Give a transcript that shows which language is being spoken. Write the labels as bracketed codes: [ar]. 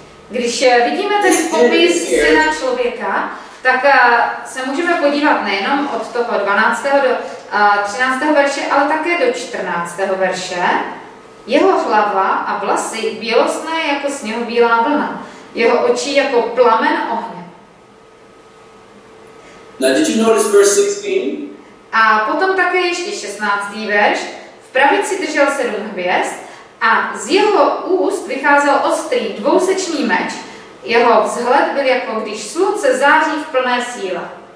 [cs] Když vidíme ten popis Syna člověka, tak se můžeme podívat nejenom od toho 12. do 13. verše, ale také do 14. verše. Jeho hlava a vlasy bělostné jako sněhu bílá vlna, jeho oči jako plamen ohně. [en] Now, did you notice verse 16? [cs] A potom také ještě 16. verš. V pravici držel sedm hvězd a z jeho úst vycházel ostrý dvousečný meč. Jeho vzhled byl jako když slunce září v plné síle.